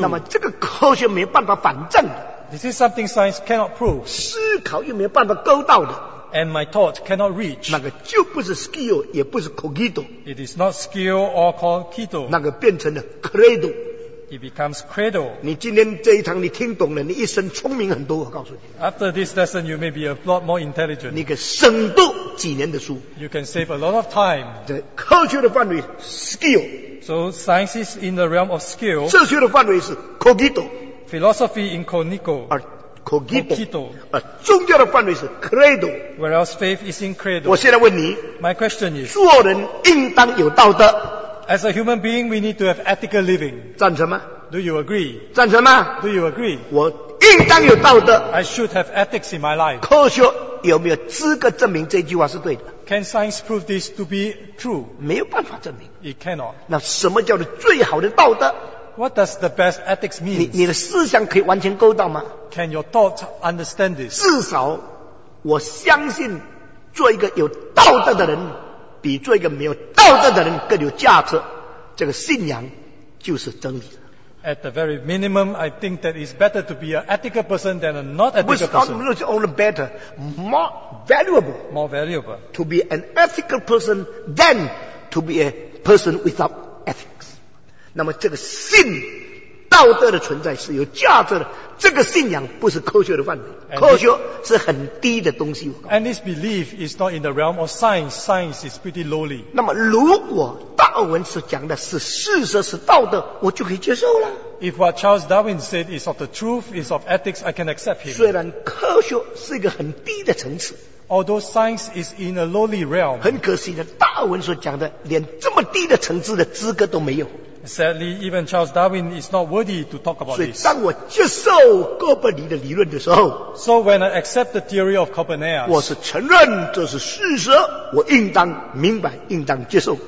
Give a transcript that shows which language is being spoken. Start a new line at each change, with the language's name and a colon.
Chinese: 那么这个科学没有办法反证的。
English: This is something science cannot prove.
Chinese: 思考又没有办法勾到的。
English: And my thought cannot reach.
Chinese: 那个就不是 skill, 也不是 cogito.
English: It is not skill or cogito.
Chinese: 那个变成了 credo.
English: It becomes credo.
Chinese: 你今天这一堂你听懂了，你一生聪明很多，我告诉你。
English: After this lesson, you may be a lot more intelligent.
Chinese: 你可省读几年的书。
English: You can save a lot of time.
Chinese: 这科学的范围 skill.
English: So science is in the realm of skill.
Chinese: 哲学的范围是 cogito.
English: Philosophy in cogito.
Chinese: 而 cogito. 而宗教的范围是 credo.
English: Whereas faith is in credo.
Chinese: 我现在问你，
English: My question is,
Chinese: 做人应当有道德。
English: As a human being, we need to have ethical living.
Chinese: 赞成吗？
English: Do you agree?
Chinese: 赞成吗？
English: Do you agree?
Chinese: 我应当有道德。
English: I should have ethics in my life.
Chinese: 科学有没有资格证明这句话是对的？
English: Can science prove this to be true?
Chinese: 没有办法证明。
English: It cannot.
Chinese: 那什么叫做最好的道德？
English: What does the best ethics mean?
Chinese: 你的思想可以完全勾到吗？
English: Can your thought understand this?
Chinese: 至少我相信做一个有道德的人比做一个没有道德的人更有价值。这个信仰就是真理。
English: At the very minimum, I think that it's better to be an ethical person than a not ethical person. Not only better, more valuable. More valuable. To be an ethical person than to be a person without ethics.
Chinese: 那么这个信，道德的存在是有价值的。这个信仰不是科学的范围，科学是很低的东西。
English: And this belief is not in the realm of science. Science is pretty lowly.
Chinese: 那么如果达尔文所讲的是事实是道德，我就可以接受了。
English: If what Charles Darwin said is of the truth, is of ethics, I can accept him.
Chinese: 虽然科学是一个很低的层次。
English: Although science is in a lowly realm.
Chinese: 很可惜的，达尔文所讲的连这么低的层次的资格都没有。
English: Sadly, even Charles Darwin is not worthy to talk about this. 所
Chinese: 以当我接受哥本尼的理论的时候，
English: So when I accept the theory of Copernicus,
Chinese: 我是承认这是事实，我应当明白，应当接受。